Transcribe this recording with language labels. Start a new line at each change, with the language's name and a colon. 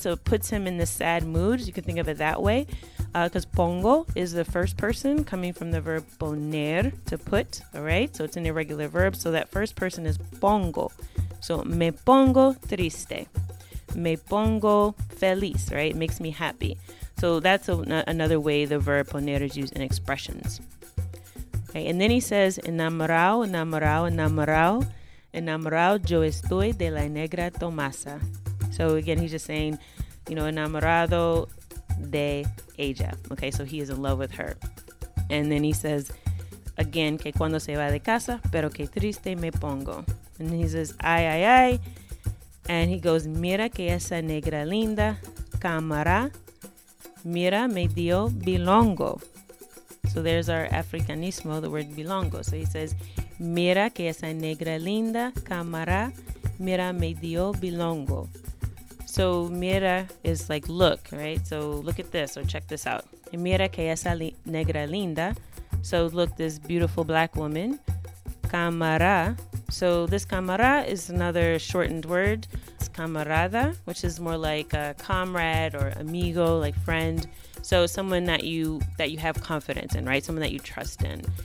English: So it puts him in this sad mood. You can think of it that way. Because pongo is the first person coming from the verb poner, to put, all right? So it's an irregular verb. So that first person is pongo. So
Spanish: me pongo triste. Me pongo feliz,
English: right? It makes me happy. So that's another way the verb poner is used in expressions. Okay, and then he says,
Spanish: enamorado, enamorado, enamorado. Enamorado yo estoy de la negra Tomasa.
English: So again, he's just saying, you know,
Spanish: enamorado de ella.
English: Okay, so he is in love with her. And then he says, again,
Spanish: que cuando se va de casa, pero que triste me pongo.
English: And he says,
Spanish: ay, ay, ay.
English: And he goes,
Spanish: mira que esa negra linda, camara, mira me dio bilongo.
English: So there's our
Spanish: Africanismo,
English: the word
Spanish: bilongo.
English: So he says,
Spanish: mira que esa negra linda, camara, mira me dio bilongo.
English: So mira is like look, right? So look at this, or check this out.
Spanish: Mira que esa negra linda.
English: So look, this beautiful black woman. Camara. So this camara is another shortened word. It's camarada, which is more like a comrade or amigo, like friend. So someone that you have confidence in, right? Someone that you trust in.